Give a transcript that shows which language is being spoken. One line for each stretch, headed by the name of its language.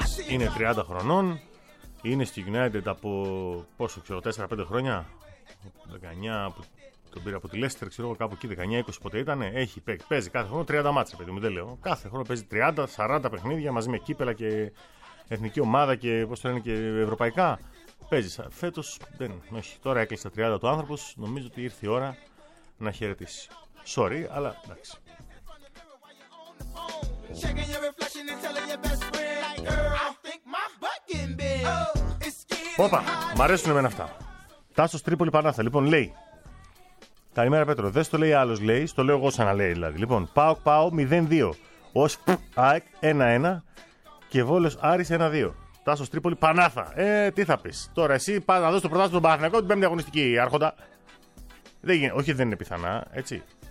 Greek: Είναι 30 χρονών, είναι στη United από πόσο ξέρω, 4-5 χρόνια, 19 που τον πήρε από τη Leicester, ξέρω κάπου εκεί, 19-20 πότε ήταν, έχει παίζει κάθε χρόνο 30 μάτσα, παιδί μου, δεν λέω, κάθε χρόνο παίζει 30-40 παιχνίδια μαζί με κύπελα και εθνική ομάδα και πώς το λένε και ευρωπαϊκά, παίζει, φέτος, δεν, όχι, τώρα έκλεισε τα 30 του άνθρωπος, νομίζω ότι ήρθε η ώρα να χαιρετήσει, sorry, αλλά εντάξει.
English: Checking your reflection and telling your best friend, like, girl, I think my butt getting big. Oh, it's getting hotter.
Greek: Μ' αρέσουν εμένα αυτά. Τάσος Τρίπολη Πανάθα, λοιπόν, λέει. Καλημέρα, Πέτρο. Δεν στο λέει άλλος, λέει. Στο λέω εγώ σαν να λέει, δηλαδή. Λοιπόν, ΠΑΟΚ ΠΑΟ 0-2. Ως ΑΕΚ 1-1. Και Βόλος Άρης 1-2. Τάσος Τρίπολη Πανάθα. Τι θα πεις. Τώρα εσύ πας να δώσεις το πρωτάθλημα στον Παναθηναϊκό την πέμπτη αγωνιστική, άρχοντα. Όχι, δεν είναι πιθανά, έτσι.